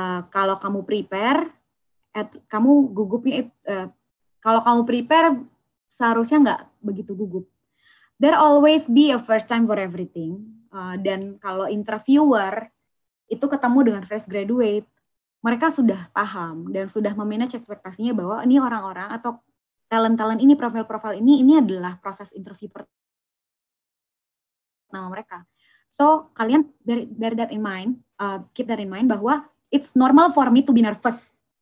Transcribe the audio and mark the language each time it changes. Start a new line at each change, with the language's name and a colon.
Indonesian: Kalau kamu prepare, kamu gugupnya kalau kamu prepare seharusnya nggak begitu gugup.
English: There always be a first time for everything.
Indonesian: Dan kalau interviewer itu ketemu dengan fresh graduate, mereka sudah paham dan sudah memanage ekspektasinya bahwa ini orang-orang atau talent-talent ini, profil-profil ini adalah proses interview pertama mereka.
English: So,
Indonesian: kalian
English: bear that in mind, keep that in mind
Indonesian: bahwa
English: it's normal for me to be nervous.